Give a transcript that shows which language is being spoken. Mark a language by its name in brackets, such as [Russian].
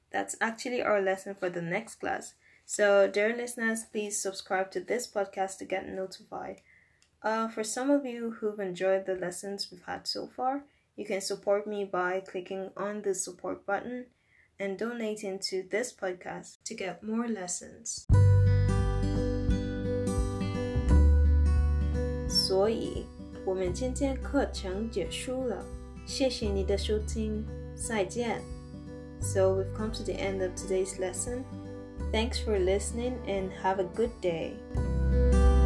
[English] That's actually our lesson for the next class. So, dear listeners, please subscribe to this podcast to get notified. For some of you who've enjoyed the lessons we've had so far, you can support me by clicking on the support button and donating to this podcast to get more lessons. [Chinese] 所以，我们今天课程结束了。谢谢你的收听，再见。 [English] So we've come to the end of today's lesson. Thanks for listening and have a good day.